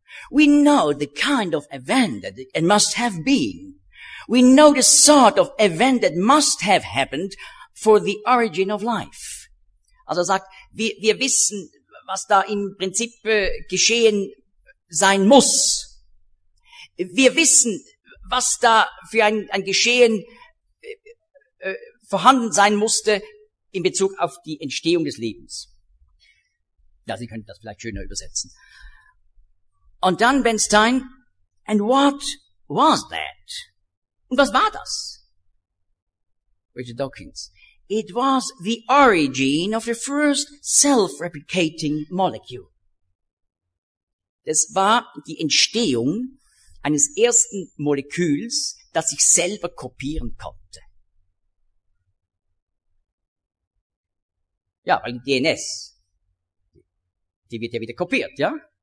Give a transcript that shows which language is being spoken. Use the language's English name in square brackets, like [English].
[English] We know the kind of event that it must have been. We know the sort of event that must have happened for the origin of life. [German] Also sagt, wir wissen, was da im Prinzip geschehen sein muss. Wir wissen, was da für ein Geschehen vorhanden sein musste in Bezug auf die Entstehung des Lebens. Ja, Sie könnten das vielleicht schöner übersetzen. Und dann Ben Stein, [English] and what was that? [German] Und was war das? [English] Richard Dawkins, it was the origin of the first self-replicating molecule. [German] Das war die Entstehung eines ersten Moleküls, das sich selber kopieren konnte. Ja, weil die DNS, die wird ja wieder kopiert, ja?